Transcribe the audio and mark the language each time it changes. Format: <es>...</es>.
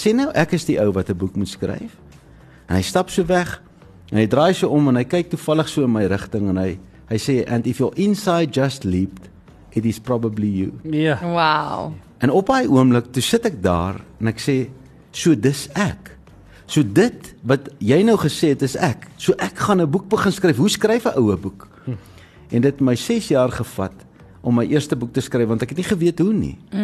<af>Sê nou, ek is die ou wat 'n boek moet skryf. En hy stap so weg en hy draai sy om en hy kyk toevallig so in my rigting en hy</af> <en>Hy sê, and if your inside just leaped, it is probably you. Yeah. Wow.</en> <af>En op hy oomlik, toe sit ek daar, en ek sê, so dis ek. So dit, wat jy nou gesê het, is ek. So ek gaan 'n boek begin skryf. Hoe skryf 'n oue boek? En dit my 6 jaar gevat, om my eerste boek te skryf, want ek het nie geweet hoe nie.</af>